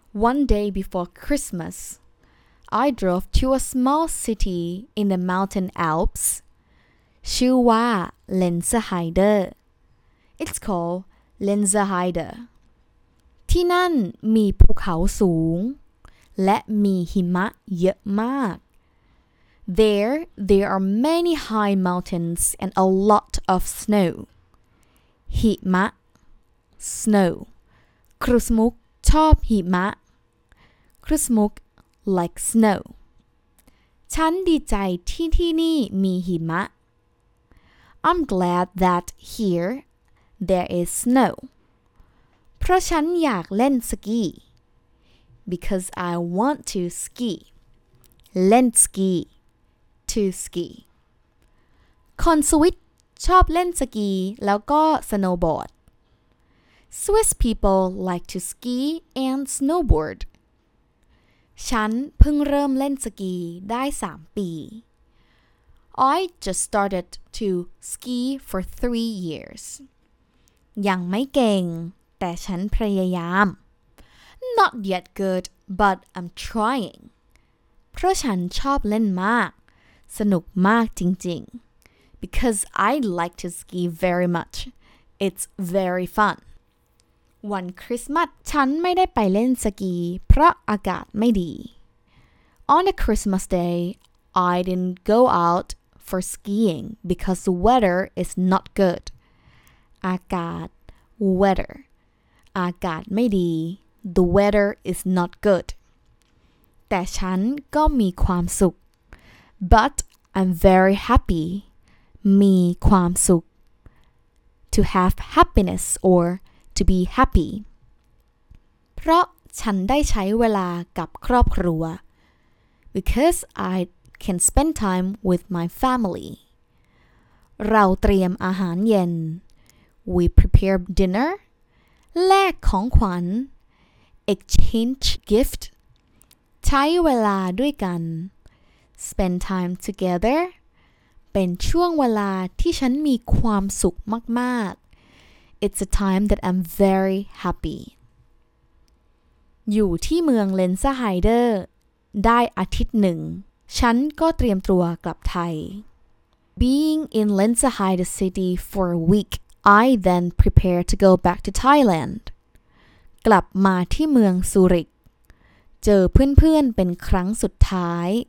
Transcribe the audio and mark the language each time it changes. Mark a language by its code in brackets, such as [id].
[en] One day before Christmas, I drove to a small city in the mountain Alps. [th] ชื่อว่าเลนเซไฮเดอร์ [en] It's called Lenzerheide. [th] ที่นั่นมีภูเขาสูงและมีหิมะเยอะมาก [en] There are many high mountains and a lot of snow. [th] หิมะ [en] snow. [th] คริสมุกชอบหิมะ คริสมุก [en] like snow. [th] ฉันดีใจที่ที่นี่มีหิมะ [en] I'm glad that here there is snow. [th] เพราะฉันอยากเล่นสกี [en] Because I want to ski. [th] เล่นสกี [en] To ski. [th] คนสวิสชอบเล่นสกีแล้วก็สโนว์บอร์ด [en] Swiss people like to ski and snowboard. [th] ฉันเพิ่งเริ่มเล่นสกีได้3ปี [en] I just started to ski for 3 years. [th] ยังไม่เก่งแต่ฉันพยายาม [en] Not yet good, but I'm trying. [th] เพราะฉันชอบเล่นมากสนุกมากจริง [en] ๆ because I like to ski very much it's very fun [th] วันคริสต์มาสฉันไม่ได้ไปเล่นสกีเพราะอากาศไม่ดี [en] on a Christmas day I didn't go out for skiing because the weather is not good [th] อากาศ weather อากาศไม่ดี [en] the weather is not good [th] แต่ฉันก็มีความสุข [en] But I'm very happy. [th] มีความสุข [en] To have happiness or to be happy. [th] เพราะฉันได้ใช้เวลากับครอบครัว [en] Because I can spend time with my family. [th] เราเตรียมอาหารเย็น [en] We prepare dinner. [th] แลกของขวัญ [en] Exchange gift. [th] ใช้เวลาด้วยกัน [en] spend time together [th] เป็นช่วงเวลาที่ฉันมีความสุขมาก [en] ๆ It's a time that I'm very happy [th] อยู่ที่เมืองเลนเซไฮเดอร์ได้อาทิตย์หนึ่งฉันก็เตรียมตัวกลับไทย [en] Being in Lenzerheide city for a week I then prepare to go back to Thailand [th] กลับมาที่เมืองซูริกเจอเพื่อนๆ เป็นครั้งสุดท้าย